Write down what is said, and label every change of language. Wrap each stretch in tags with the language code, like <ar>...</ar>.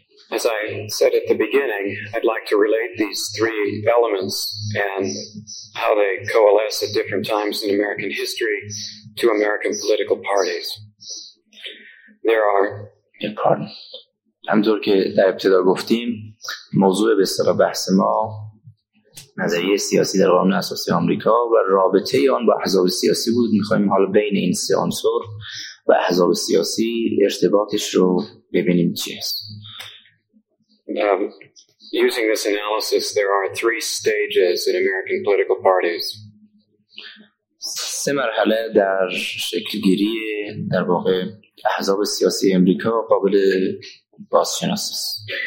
<en>As I said at the beginning, I'd like to relate these three elements and how they coalesce at different times in American history to American political parties. There are... Yeah, pardon.</en> <fa>همطور که در ابتدا گفتیم، موضوع به اصطلاح بحث ما نظریه سیاسی در قانون اساسی آمریکا و رابطه آن با احزاب سیاسی بود. می‌خوایم حالا بین این سه عنصر و احزاب سیاسی ارتباطش رو ببینیم چی است.</fa> <en>Using this analysis, there are three stages in American political parties.</en> <fa>سه مرحله در شکل‌گیری در واقع احزاب سیاسی آمریکا قابل بازشناسی است.</fa>